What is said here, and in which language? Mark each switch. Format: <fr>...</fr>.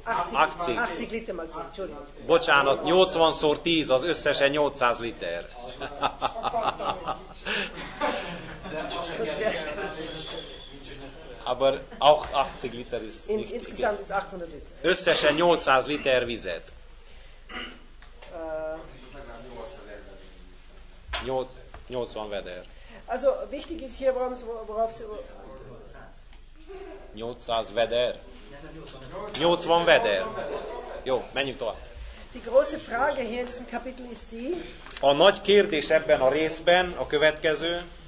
<de>80 liter mal 10, Entschuldigung.</de> <hu>Bocsánat, 80 szor 10, az összesen 800 liter.</hu> <de>Aber auch 80 liter ist nicht. Insgesamt ist 800 liter.</de> <hu>Összesen 800 liter vizet. 80 veder.</hu> <de>Also wichtig ist hier, worauf sie...</de> <hu>800 veder. 80 veder. Jó, menjünk tovább.</hu> <de>Die große Frage hier in diesem Kapitel ist die.</de> <hu>A nagy kérdés ebben a részben a következő.</hu>